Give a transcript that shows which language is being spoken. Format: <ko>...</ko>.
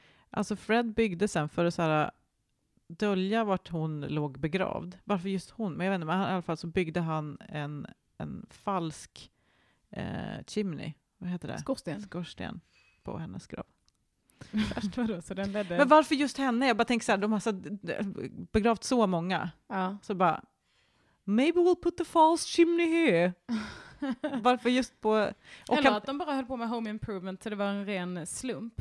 <sv>Alltså Fred byggde sen för att så här, dölja vart hon låg begravd. Varför just hon? Men jag vet inte, men i alla fall så byggde han en falsk chimney. Vad heter det? Skorsten. På hennes grav. Så den ledde. Men varför just henne? Jag bara tänker så här, de har så begravt så många. Ja. Så bara,</sv> <en>maybe we'll put the false chimney here.</en> <sv>Varför just på... Och eller kan, att de bara höll på med home improvement så det var en ren slump.</sv>